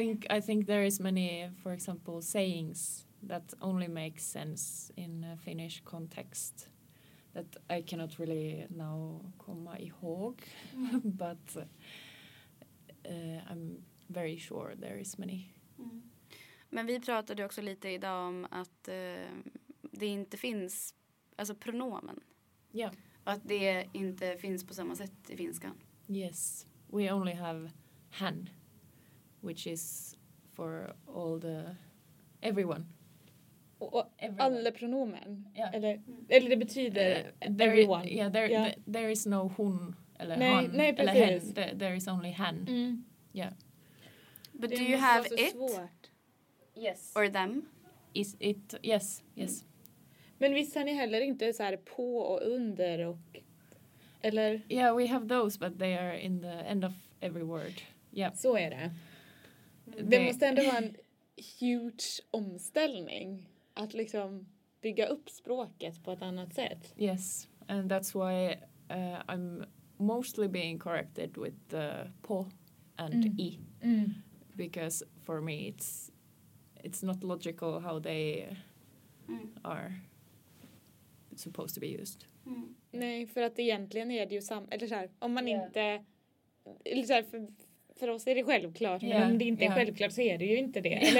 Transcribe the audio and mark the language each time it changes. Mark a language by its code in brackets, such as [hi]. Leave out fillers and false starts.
[en] I think there is many, for example, sayings that only make sense in a Finnish context that I cannot really now [sv] komma ihåg, [en] but I'm very sure there is many. [sv] Men vi pratade också lite idag om att det inte finns, alltså pronomen. Ja. [en] Yeah. [sv] Att det inte finns på samma sätt i finskan. [en] Yes, we only have hän, which is for all the everyone. [sv] Och everyone. Alla pronomen. Yeah. Eller det betyder everyone. [en] Yeah, there is no [sv] hon eller nej, han nej, eller hen. [en] There is only hän. Mm. Yeah. But do you have it? Svårt. Yes. Or them? Is it? Yes. Yes. [sv] Men visst har ni heller inte så här på och under och eller? [en] Yeah, we have those, but they are in the end of every word. Yeah. [sv] Så är det. Det måste ändå vara en huge omställning att liksom bygga upp språket på ett annat sätt. [en] Yes, and that's why I'm mostly being corrected with the på and i. Mm. Because for me it's not logical how they are supposed to be used. Mm. [sv] Nej, för att egentligen är det ju samma, eller så här, om man inte, eller så här, för oss är det självklart, men om det inte är självklart så är det ju inte det.